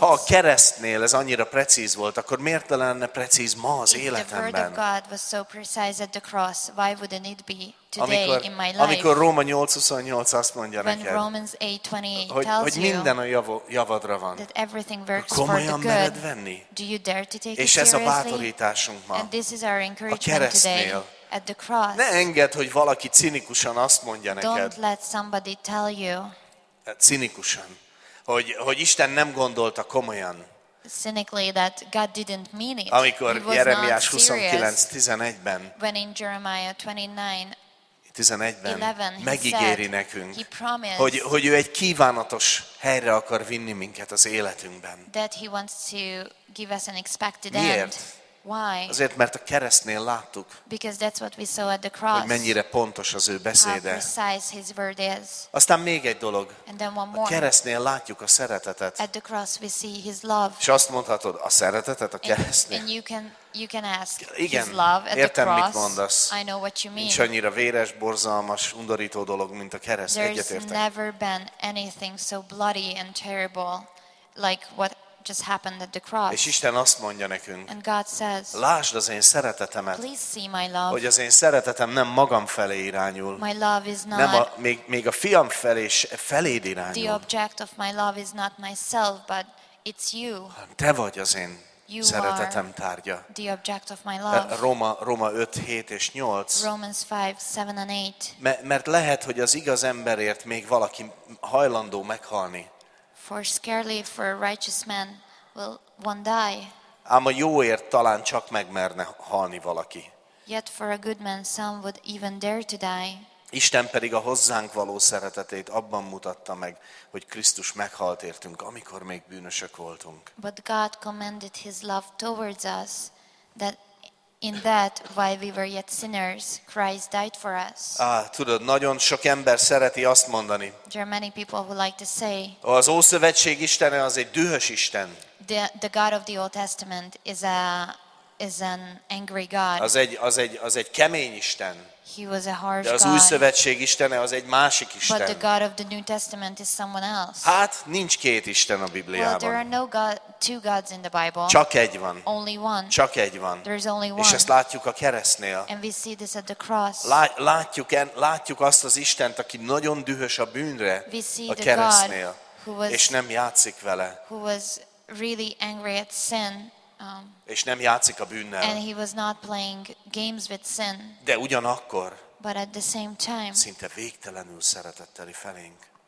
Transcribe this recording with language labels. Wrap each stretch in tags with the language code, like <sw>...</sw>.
<hu>Ha a keresztnél ez annyira precíz volt, akkor miért ne lenne precíz ma az életemben?</hu> <en>If the word of God was so precise at the cross, why wouldn't it be today in my life?</en> <hu>Amikor Róma 8:28 azt mondja</hu> <en>when</en> <hu>neked,</hu> <en>Romans 8:28</en> <hu>hogy,</hu> <en>tells</en> <hu>hogy minden a javadra van,</hu> <en>that everything works</en> <hu>komolyan</hu> <en>for the good,</en> <hu>venni?</hu> <en>Do you dare to take</en> <hu>és</hu> <en>it seriously?</en> <hu>Ez a bátorításunk ma.</hu> <en>And this is our encouragement</en> <hu>a keresztnél.</hu> <en>At the cross.</en> <hu>Ne engedd, hogy valaki cinikusan azt mondja neked.</hu> <en>Don't let somebody tell you.</en> <hu>Cinikusan. Hogy Isten nem gondolta komolyan.</hu> <en>Cynically that God didn't mean it.</en> <hu>Amikor Jeremiás 29:11-ben.</hu> <en>When in Jeremiah 29:11</en> <hu>megígéri nekünk,</hu> <en>he promised,</en> <hu>hogy ő egy kívánatos helyre akar vinni minket az életünkben.</hu> <en>That he wants to give us an expected</en> <hu>miért?</hu> <en>End. Why?</en> <hu>Azért, mert a keresztnél láttuk.</hu> <en>Because that's what we saw at the cross.</en> <hu>Hogy mennyire pontos az ő beszéde.</hu> <en>How precise his word is.</en> <hu>Aztán még egy dolog.</hu> <en>And then one more.</en> <hu>A keresztnél látjuk a szeretetet.</hu> <en>At the cross we see his love.</en> <hu>És azt mondhatod, a szeretetet a keresztnél.</hu> <en>And you can ask</en> <hu>igen,</hu> <en>his love at</en> <hu>értem,</hu> <en>the cross.</en> <hu>Mit mondasz.</hu> <en>I know what you mean.</en> <hu>Nincs annyira véres, borzalmas, undorító dolog, mint a kereszt. Egyetértek.</hu> <en>There's never been anything so bloody and terrible like what just happened at the cross.</en> <hu>És Isten azt mondja nekünk.</hu> <en>And God says,</en> <hu>lásd az én szeretetemet.</hu> <en>Please see my love.</en> <hu>Hogy az én szeretetem nem magam felé irányul.</hu> <en>My love is not.</en> <hu>Nem még a fiam feléd irányul.</hu> <en>The object of my love is not myself, but it's you.</en> <hu>Te vagy az én</hu> <en>you</en> <hu>szeretetem tárgya.</hu> <en>The object of my love.</en> <hu>Róma 5:7-8.</hu> <en>Romans 5:7-8.</en> <hu>Mert lehet, hogy az igaz emberért még valaki hajlandó meghalni.</hu> <en>For scarcely for a righteous man will one die.</en> <hu>Ám a jóért talán csak megmerne halni valaki.</hu> <en>Yet for a good man some would even dare to die.</en> <hu>Isten pedig a hozzánk való szeretetét abban mutatta meg, hogy Krisztus meghalt értünk, amikor még bűnösök voltunk.</hu> <en>But God commended his love towards us that in that while we were yet sinners Christ died for us.</en> <hu>Tudod, nagyon sok ember szereti azt mondani.</hu> <en>There are many people who like to say.</en> <hu>Az Ószövetség Istene az egy dühös Isten.</hu> <en>The God of the Old Testament is an angry God.</en> <hu>Az egy kemény Isten.</hu> <en>He was a harsh</en> <hu>God. De az Új Szövetség Istene az egy másik Isten.</hu> <en>But the God of the New Testament is someone else.</en> <hu>Hát nincs két Isten a Bibliában.</hu> <en>Well, there are no God, two gods in the Bible.</en> <hu>Csak egy van.</hu> <en>Only one.</en> <hu>Csak egy van.</hu> <en>There is only one.</en> <hu>És ezt látjuk a keresztnél.</hu> <en>And we see this at the cross.</en> <hu>Látjuk azt az Istent, aki nagyon dühös a bűnre a keresztnél. És nem játszik vele.</hu> <en>Who was really angry at sin.</en> <hu>És nem játszik a bűnnel.</hu> <en>And he was not playing games with sin.</en> <hu>De ugyanakkor.</hu> <en>But at the same time.</en> <hu>Szinte végtelenül szeretetteli felénk.</hu>